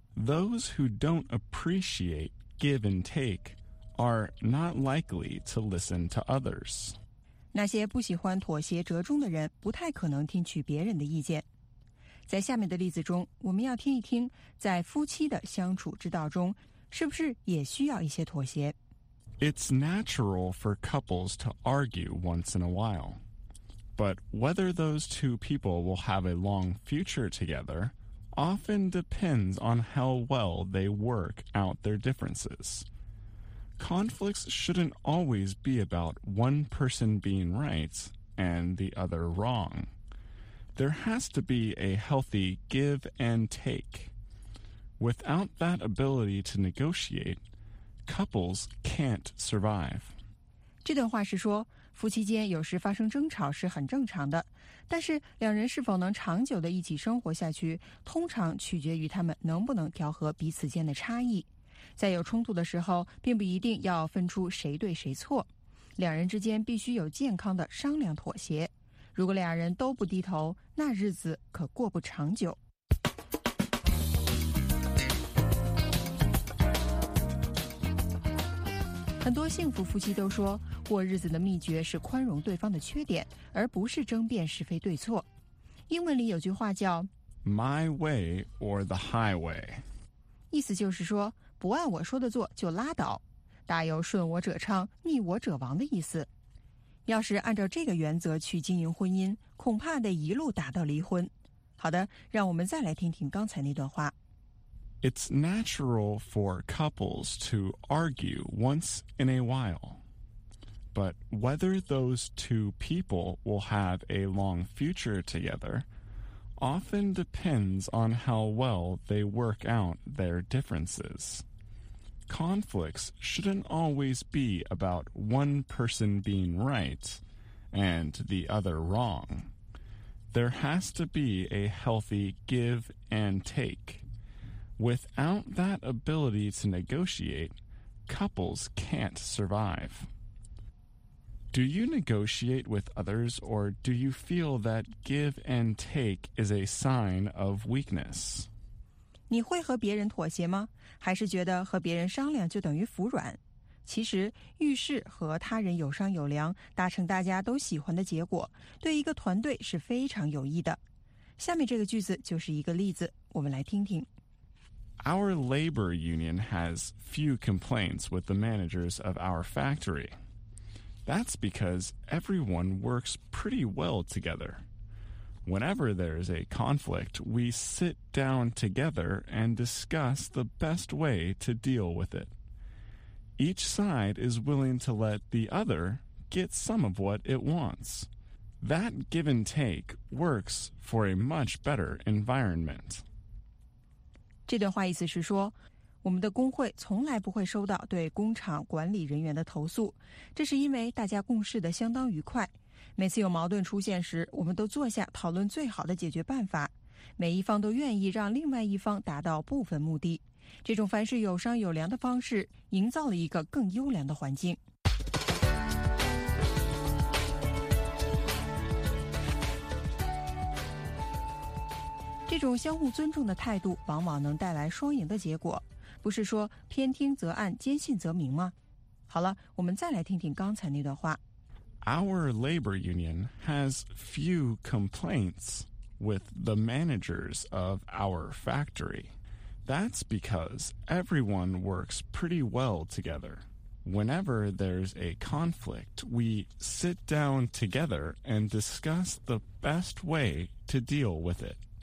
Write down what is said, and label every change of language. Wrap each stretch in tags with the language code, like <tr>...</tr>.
<en>Those who don't appreciate give and take are not likely to listen to others</en> <zh>那些不喜欢妥协折中的人不太可能听取别人的意见在下面的例子中我们要听一听在夫妻的相处之道中是不是也需要一些妥协</zh> <en>It's natural for couples to argue once in a while. But whether those two people will have a long future together often depends on how well they work out their differences. Conflicts shouldn't always be about one person being right and the other wrong. There has to be a healthy give and take. Without that ability to negotiate,Couples can't survive.</en> <zh>这段话是说，夫妻间有时发生争吵是很正常的，但是两人是否能长久的一起生活下去，通常取决于他们能不能调和彼此间的差异。在有冲突的时候，并不一定要分出谁对谁错，两人之间必须有健康的商量妥协。如果两人都不低头，那日子可过不长久。很多幸福夫妻都说，过日子的秘诀是宽容对方的缺点，而不是争辩是非对错。英文里有句话叫</zh> <en>My way or the highway，</en> <zh>意思就是说不按我说的做就拉倒，大有顺我者昌逆我者亡的意思。要是按照这个原则去经营婚姻，恐怕得一路打到离婚。好的，让我们再来听听刚才那段话。</zh> <en>It's natural for couples to argue once in a while. But whether those two people will have a long future together often depends on how well they work out their differences. Conflicts shouldn't always be about one person being right and the other wrong. There has to be a healthy give and take. Without that ability to negotiate, couples can't survive. Do you negotiate with others, or do you feel that give and take is a sign of weakness?</en> <zh>你会和别人妥协吗？还是觉得和别人商量就等于服软？其实，遇事和他人有商有量，达成大家都喜欢的结果，对一个团队是非常有益的。下面这个句子就是一个例子，我们来听听。</zh> <en>Our labor union has few complaints with the managers of our factory. That's because everyone works pretty well together. Whenever there's a conflict, we sit down together and discuss the best way to deal with it. Each side is willing to let the other get some of what it wants. That give and take works for a much better environment.</en> <zh>这段话意思是说，我们的工会从来不会收到对工厂管理人员的投诉，这是因为大家共事的相当愉快。每次有矛盾出现时，我们都坐下讨论最好的解决办法，每一方都愿意让另外一方达到部分目的。这种凡事有商有量的方式，营造了一个更优良的环境。这种相互尊重的态度往往能带来双赢的结果，不是说偏听则暗，坚信则明吗？好了，我们再来听听刚才那段话。</zh> <en>Our labor union has few complaints with the managers of our factory. That's because everyone works pretty well together. Whenever there's a conflict, we sit down together and discuss the best way to deal with it.</en>